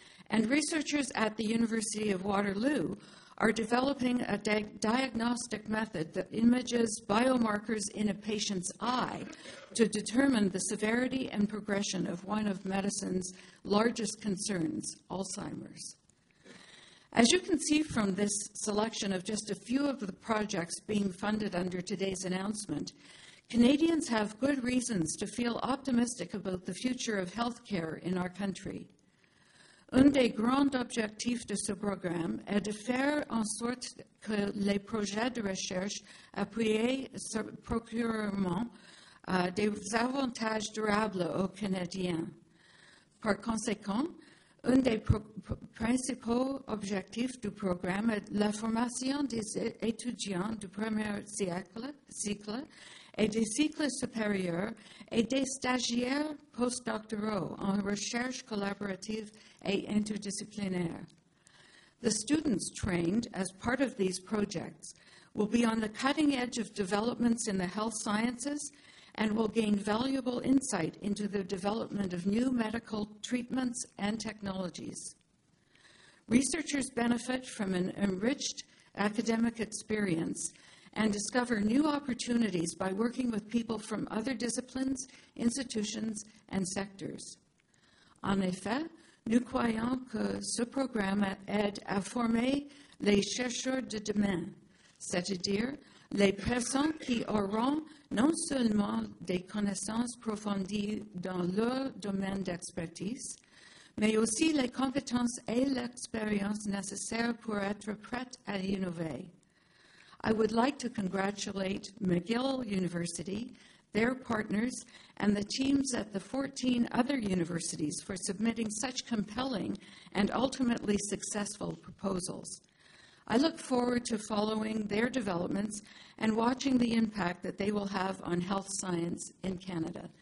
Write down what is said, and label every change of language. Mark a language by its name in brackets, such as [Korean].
[English] And researchers at the University of Waterloo are developing a diagnostic method that images biomarkers in a patient's eye to determine the severity and progression of one of medicine's largest concerns, Alzheimer's. As you can see from this selection of just a few of the projects being funded under today's announcement, Canadians have good reasons to feel optimistic about the future of healthcare in our country. [French] Un des grands objectifs de ce programme est de faire en sorte que les projets de recherche appuyés procurent des avantages durables aux Canadiens. Par conséquent, un des principaux objectifs du programme est la formation des étudiants du premier cycle et des cycles supérieurs et des stagiaires postdoctoraux en recherche collaborative et interdisciplinaire. [English] The students trained as part of these projects will be on the cutting edge of developments in the health sciences and will gain valuable insight into the development of new medical treatments and technologies. Researchers benefit from an enriched academic experience and discover new opportunities by working with people from other disciplines, institutions, and sectors. [French] En effet, nous croyons que ce programme aide à former les chercheurs de demain, c'est-à-dire les personnes qui auront non seulement des connaissances approfondies dans leur domaine d'expertise, mais aussi les compétences et l'expérience nécessaires pour être prêtes à innover. [English] I would like to congratulate McGill University, their partners, and the teams at the 14 other universities for submitting such compelling and ultimately successful proposals. I look forward to following their developments and watching the impact that they will have on health science in Canada.